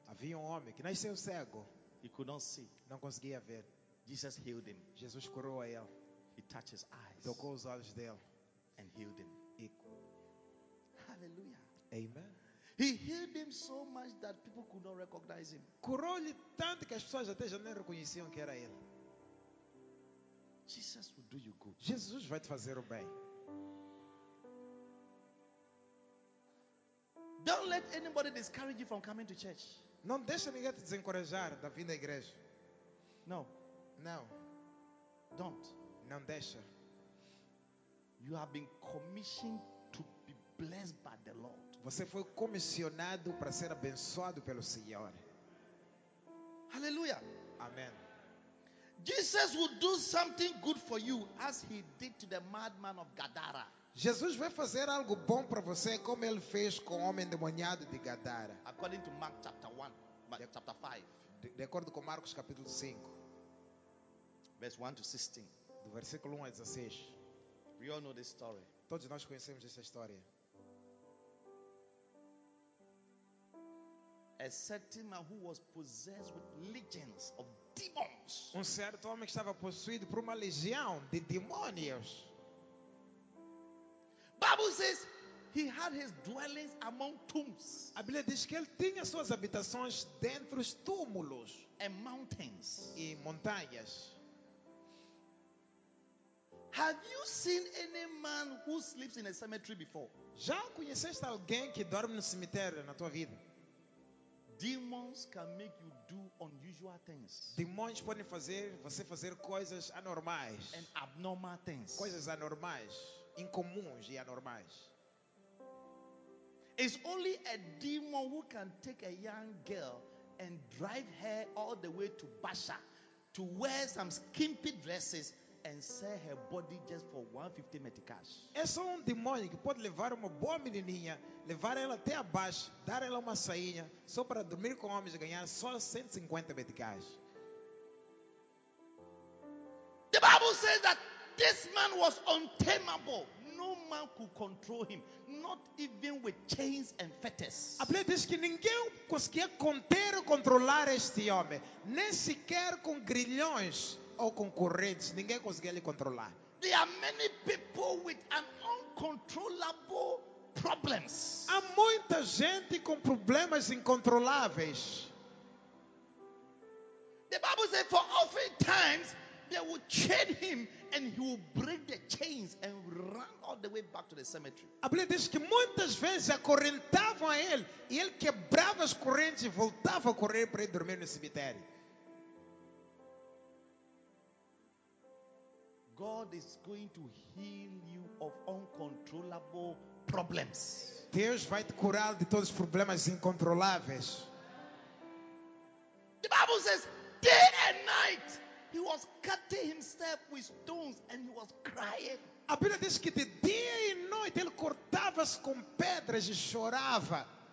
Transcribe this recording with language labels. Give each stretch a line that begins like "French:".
Portuguese: Havia um homem que nasceu cego.
English: He could not see.
Portuguese: Não conseguia ver.
English: Jesus healed him.
Portuguese: Jesus curou a ele.
English: He touched his eyes.
Portuguese: Tocou os olhos dele.
English: And healed him. Hallelujah. Amen. He healed him so much that people could not recognize him.
Portuguese: Curou-lhe tanto que as pessoas até já nem reconheciam que era ele.
English: Jesus will do you good.
Portuguese: Jesus vai te fazer o bem.
English: Don't let anybody discourage you from coming to church.
Portuguese: Não deixa ninguém te desencorajar da vinda à igreja.
English: No. No. Don't.
Portuguese: Não deixa.
English: You have been commissioned to be blessed by the Lord.
Portuguese: Você foi comissionado para ser abençoado pelo Senhor.
English: Hallelujah. Amen. Jesus will do something good for you as he did to the madman of Gadara.
Portuguese: Jesus vai fazer algo bom para você como ele fez com o homem demoniado de Gadara.
English: According to Mark chapter 1, chapter 5.
Portuguese: De acordo com Marcos capítulo 5.
English: Verse 1 to 16.
Portuguese: Do versículo 1 a 16.
English: We all know this story.
Portuguese: Todos nós conhecemos essa história.
English: A certain man who was possessed with legions of demons.
Portuguese: Um certo homem que estava possuído por uma legião de demônios.
English: Bible says he had his dwellings among tombs.
Portuguese: A Bíblia diz que ele tinha suas habitações dentro dos túmulos.
English: And mountains.
Portuguese: E montanhas.
English: Have you seen any man who sleeps in a cemetery before?
Portuguese: Já conheceste alguém que dorme no cemitério na tua vida?
English: Demons can make you do unusual things.
Portuguese: Demônios podem fazer você fazer coisas anormais.
English: And abnormal things.
Portuguese: Coisas anormais, incomuns e anormais.
English: It's only a demon who can take a young girl and drive her all the way to Basha to wear some skimpy dresses and sell her body just for 150 meticais.
Portuguese: É só um demônio que pode levar uma boa menininha, levar ela até abaixo, dar ela uma sainha, só para dormir com homens e ganhar só 150 meticais.
English: The Bible says that this man was untamable. No man could control him, not even with chains and fetters.
Portuguese: A Bíblia diz que ninguém conseguia conter ou controlar este homem, nem sequer com grilhões ou com correntes, ninguém conseguia lhe controlar.
English: There are many people with an uncontrollable problems.
Portuguese: Há muita gente com problemas incontroláveis.
English: The Bible says for often times they would chain him and he would break the chains and run all the way back to the cemetery.
Portuguese: A Bíblia diz que muitas vezes acorrentavam a ele e ele quebrava as correntes e voltava a correr para ir dormir no cemitério.
English: God is going to heal you of uncontrollable problems.
Portuguese: Deus vai te curar de todos os problemas incontroláveis.
English: The Bible says, day and night, he was cutting himself with stones and he was crying.
Portuguese: A Bíblia diz que de dia e noite ele cortava-se com pedras e chorava.